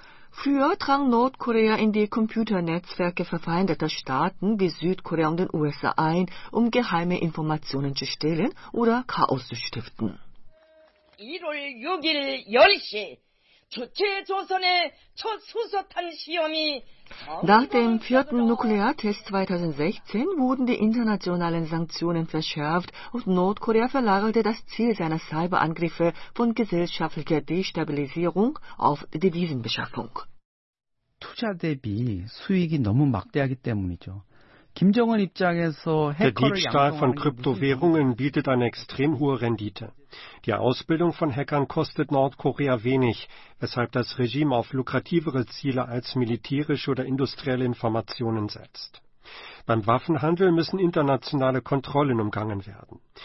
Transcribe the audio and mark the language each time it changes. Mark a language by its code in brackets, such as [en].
[de] Früher drang Nordkorea in die Computernetzwerke verfeindeter Staaten wie Südkorea und den USA ein, um geheime Informationen zu stehlen oder Chaos zu stiften. [ko] 1월 6일 10시 주체조선의 첫 수소탄 시험이 [de] Nach dem 4. Nukleartest 2016 wurden die internationalen Sanktionen verschärft und Nordkorea verlagerte das Ziel seiner Cyberangriffe von gesellschaftlicher Destabilisierung auf Devisenbeschaffung. [ko] 투자 대비 수익이 너무 막대하기 때문이죠. Kim Jong-un 입장에서 [de] Der Diebstahl von Kryptowährungen bietet eine extrem hohe Rendite. Die Ausbildung von Hackern kostet Nordkorea wenig, weshalb das Regime auf lukrativere Ziele als militärische oder industrielle Informationen setzt. Beim Waffenhandel müssen internationale Kontrollen umgangen werden.